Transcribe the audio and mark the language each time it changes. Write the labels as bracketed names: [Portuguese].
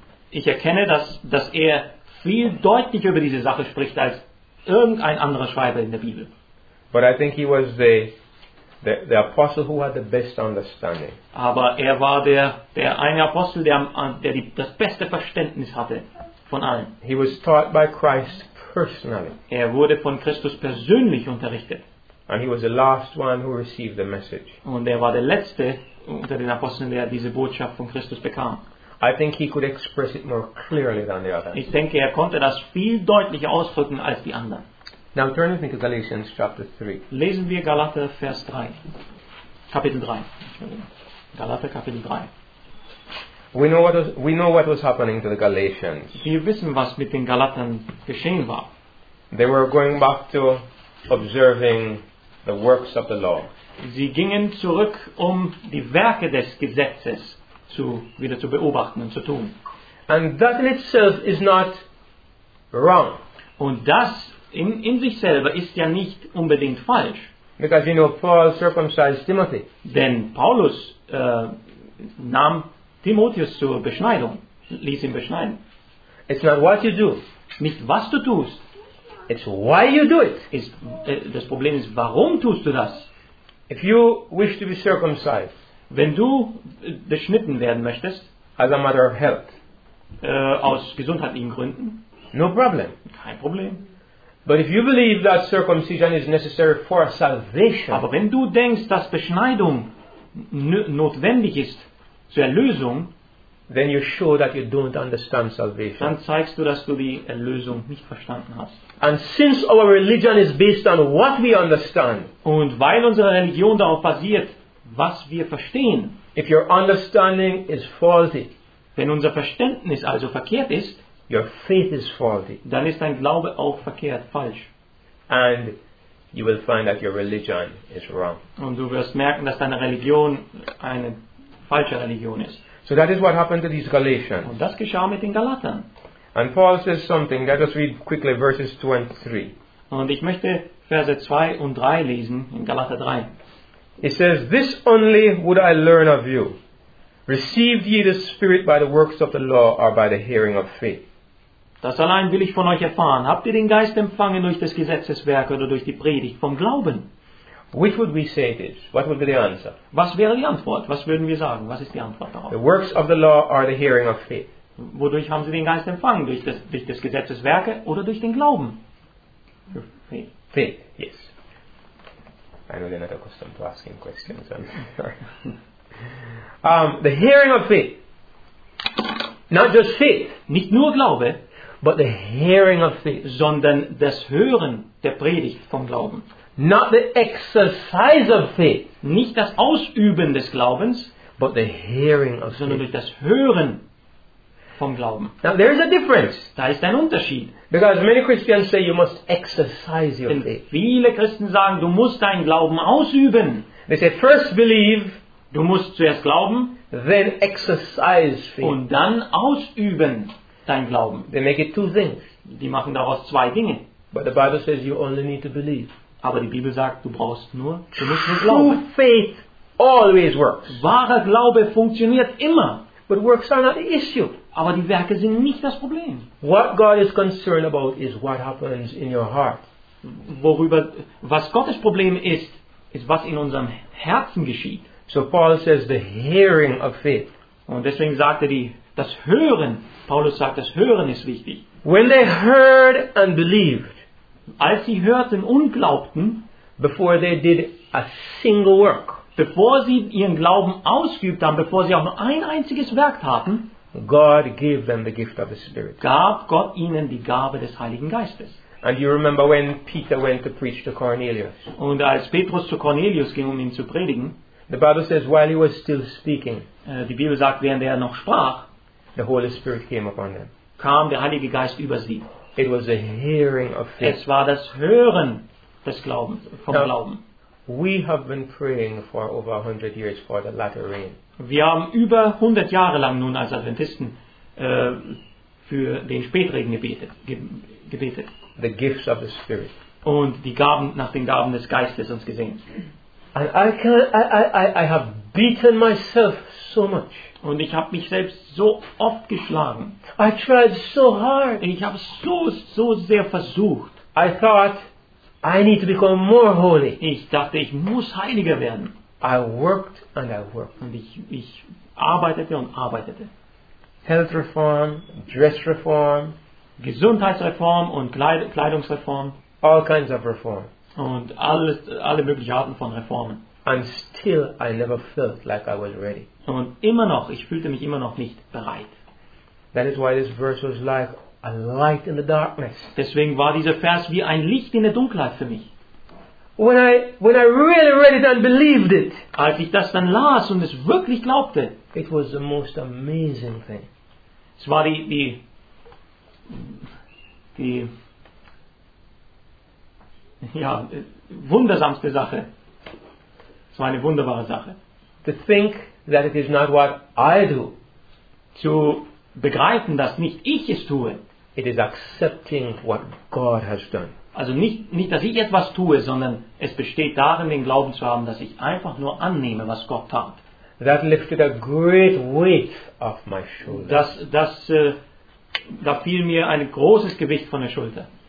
[German] Ich erkenne, dass er viel deutlicher über diese Sache spricht als irgendein anderer Schreiber in der Bibel. [English] But I think he was the apostle who had the best understanding. [German] Aber er war der eine Apostel, das beste Verständnis hatte von allen. [English] He was taught by Christ personally. [German] Er wurde von Christus persönlich unterrichtet. [English] And he was the last one who received the message. [German] Und er war der letzte unter den Aposteln, der diese Botschaft von Christus bekam. [English] I think he could express it more clearly than the others. [German] Ich denke, er konnte das viel deutlicher ausdrücken als die anderen. [English] Now turn with me to Galatians chapter 3. [German] Lesen wir Galater Vers 3. Kapitel 3. Galater Kapitel 3. [English] We know what was happening to the Galatians. [German] Wir wissen, was mit den Galatern geschehen war. [English] They were going back to observing the works of the law. [German] Sie gingen zurück, um die Werke des Gesetzes wieder zu beobachten und zu tun. [English] And that in itself is not wrong. [German] Und das in sich selber ist ja nicht unbedingt falsch. [English] Because you know, Paul circumcised Timothy. [German] Denn Paulus nahm Timotheus zur Beschneidung, ließ ihn beschneiden. [English] It's not what you do. [German] Nicht was du tust. [English] It's why you do it. [German] Das Problem ist, warum tust du das? [English] If you wish to be circumcised, [German] wenn du beschnitten werden möchtest, [English] as a matter of health, [German] aus gesundheitlichen Gründen, [English] no problem. [German] Kein Problem. [English] But if you believe that circumcision is necessary for salvation, [German] aber wenn du denkst, dass Beschneidung notwendig ist zur Erlösung, [English] then you show that you don't understand salvation. [German] Dann zeigst du, dass du die Erlösung nicht verstanden hast. [English] And since our religion is based on what we understand, [German] und weil unsere Religion darauf basiert, was wir verstehen, [English] if your understanding is faulty, [German] wenn unser Verständnis also verkehrt ist, [English] your faith is faulty. [German] Dann ist dein Glaube auch verkehrt, falsch. [English] And you will find that your religion is wrong. [German] Und du wirst merken, dass deine Religion eine falsche Religion ist. [English] So that is what happened to these Galatians. [German] Und das geschah mit den Galatern. [English] And Paul says something. Let us read quickly verses 2 and 3. [German] Und ich möchte Verse 2 und 3 lesen in Galater 3. [English] He says, "This only would I learn of you. Received ye the Spirit by the works of the law or by the hearing of faith?" [German] Das allein will ich von euch erfahren. Habt ihr den Geist empfangen durch das Gesetzeswerk oder durch die Predigt vom Glauben? [English] Which would we say it is? What would be the answer? [German] Was wäre die Antwort? Was würden wir sagen? Was ist die Antwort darauf? [English] The works of the law are the hearing of faith. [German] Wodurch haben sie den Geist empfangen? Durch das Gesetzeswerke oder durch den Glauben? [English] Faith, yes. I know they're not accustomed to asking questions. I'm sorry. The hearing of faith, not just faith, [German] nicht nur Glaube, [English] but the hearing of faith, [German] sondern das Hören der Predigt vom Glauben, [English] not the exercise of faith, [German] nicht das Ausüben des Glaubens, [English] but the hearing of, [German] sondern durch das Hören vom Glauben. [English] Now there is a difference. [German] Da ist ein Unterschied. [English] Because many Christians say you must exercise your faith. [German] Viele Christen sagen, du musst deinen Glauben ausüben. [English] They say first believe. [German] Du musst zuerst glauben, [English] then exercise faith. [German] Und dann ausüben dein Glauben. [English] They make it two things. [German] Die machen daraus zwei Dinge. [English] But the Bible says you only need to believe. [German] Aber die Bibel sagt, du musst nur glauben. [English] True faith always works. [German] Wahrer Glaube funktioniert immer. [English] But works are not the issue. [German] Aber die Werke sind nicht das Problem. [English] What God is concerned about is what happens in your heart. [German] Worüber, was Gottes Problem ist, ist was in unserem Herzen geschieht. [English] So Paul says the hearing of faith. [German] Und deswegen sagt er die, das Hören. Paulus sagt, das Hören ist wichtig. [English] When they heard and believed, [German] als sie hörten und glaubten, [English] before they did a single work, [German] bevor sie ihren Glauben ausübten, haben, bevor sie auch nur ein einziges Werk taten, [English] God gave them the gift of the Spirit. [German] Gab Gott ihnen die Gabe des Heiligen Geistes. [English] And you remember when Peter went to preach to Cornelius? [German] Und als Petrus zu Cornelius ging, um ihn zu predigen, [English] the Bible says while he was still speaking, [German] die Bibel sagt, während er noch sprach, [English] the Holy Spirit came upon them. [German] Kam der Heilige Geist über sie. [English] It was the hearing of faith. [German] Es war das Hören des Glaubens, vom [English] Now, [German] Glauben. [English] We have been praying for over 100 years for the latter rain. [German] Wir haben über 100 Jahre lang nun als Adventisten für den Spätregen gebetet. [English] The gifts of the Spirit. [German] Und die Gaben nach den Gaben des Geistes uns gesehen. [English] And I have beaten myself so much. [German] Und ich habe mich selbst so oft geschlagen. [English] I tried so hard. [German] Ich habe so sehr versucht. [English] I thought I need to become more holy. [German] Ich dachte, ich muss heiliger werden. [English] I worked and I worked. [German] Und ich arbeitete und arbeitete. [English] Health reform, dress reform, [German] Gesundheitsreform und Kleidungsreform. [English] All kinds of reform. [German] Und alle möglichen Arten von Reformen. [English] And still I never felt like I was ready. [German] Und immer noch, ich fühlte mich immer noch nicht bereit. [English] That is why this verse was like a light in the darkness. [German] Deswegen war dieser Vers wie ein Licht in der Dunkelheit für mich. [English] When I really read it and believed it. [German] Als ich das dann las und es wirklich glaubte. [English] It was the most amazing thing. [German] Es war die wundersamste Sache. Es war eine wunderbare Sache. [English] To think that it is not what I do. [German] Zu begreifen, dass nicht ich es tue. [English] It is accepting what God has done. [German] Also nicht, dass ich etwas tue, sondern es besteht darin, den Glauben zu haben, dass ich einfach nur annehme, was Gott tat. [English] That lifted a great weight off my shoulders. [German] Da fiel mir ein großes Gewicht von der Schulter.